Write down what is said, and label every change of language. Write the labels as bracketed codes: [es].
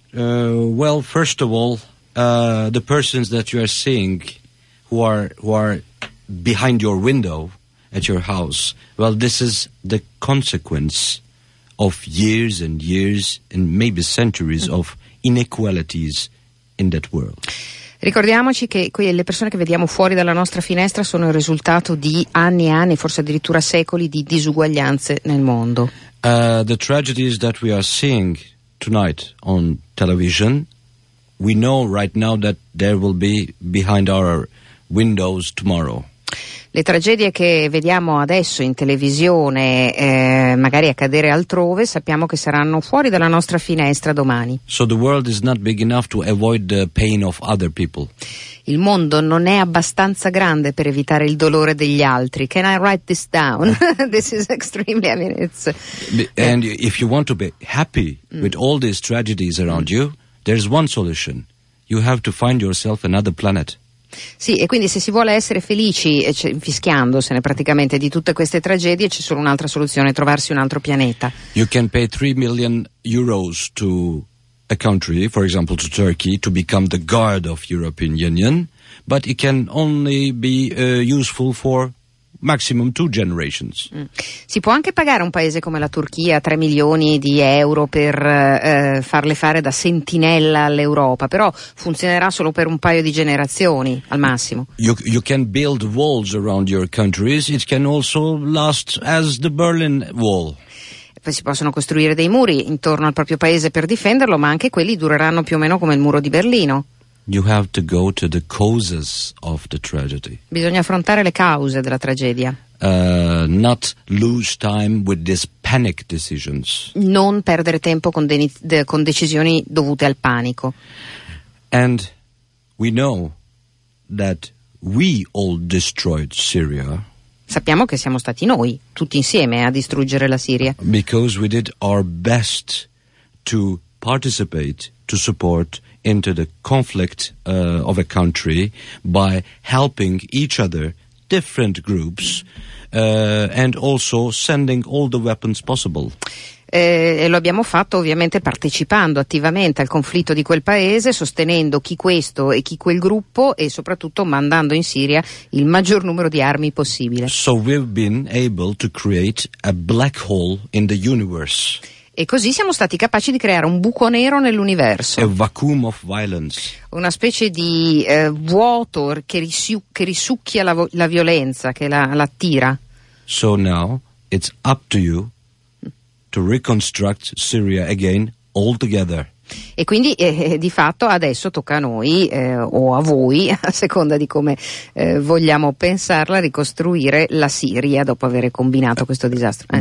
[en] Well, first of all, the persons that you are seeing who are behind your window at your house, well, this is the consequence of years and years and maybe centuries of inequalities in that world. [it] Ricordiamoci che le persone che vediamo fuori dalla nostra finestra sono il risultato di anni e anni, forse addirittura secoli, di disuguaglianze nel mondo. [en] The tragedies that we are seeing tonight on television, we know right now that there will be behind our windows tomorrow. [it] Le tragedie che vediamo adesso in televisione, magari accadere altrove, sappiamo che saranno fuori dalla nostra finestra domani. [en] So the world is not big enough to avoid the pain of other people. [it] Il mondo non è abbastanza grande per evitare il dolore degli altri. [en] Can I write this down? This is extremely, I mean, it's... And if you want to be happy with all these tragedies around you, there's one solution. You have to find yourself another planet. [it] Sì, e quindi se si vuole essere felici, infischiandosene praticamente di tutte queste tragedie, c'è solo un'altra soluzione, trovarsi un altro pianeta. [en] You can pay 3 million euros to a country, for example to Turkey, to become the guard of European Union, but it can only be useful for maximum two generations. Mm. [it] Si può anche pagare un paese come la Turchia 3 milioni di euro per farle fare da sentinella all'Europa, però funzionerà solo per un paio di generazioni al massimo. [en] You can build walls around your countries, it can also last as the Berlin Wall. [it] Poi si possono costruire dei muri intorno al proprio paese per difenderlo, ma anche quelli dureranno più o meno come il muro di Berlino. [en] You have to go to the causes of the tragedy. [it] Bisogna affrontare le cause della tragedia. [en] Not lose time with these panic decisions. [it] Non perdere tempo con decisioni dovute al panico. [en] And we know that we all destroyed Syria. [it] Sappiamo che siamo stati noi tutti insieme a distruggere la Siria. [en] Because we did our best to participate, to support into the conflict of a country by helping each other, different groups, and also sending all the weapons possible. [it] E lo abbiamo fatto ovviamente partecipando attivamente al conflitto di quel paese, sostenendo chi questo e chi quel gruppo e soprattutto mandando in Siria il maggior numero di armi possibile. [en] So we've been able to create a black hole in the universe. [it] E così siamo stati capaci di creare un buco nero nell'universo. [en] A vacuum of violence. [it] Una specie di vuoto che risucchia la violenza, che la attira. [en] So now it's up to you to reconstruct Syria again all together. [it] E quindi di fatto adesso tocca a noi o a voi, a seconda di come vogliamo pensarla, ricostruire la Siria dopo aver combinato questo disastro.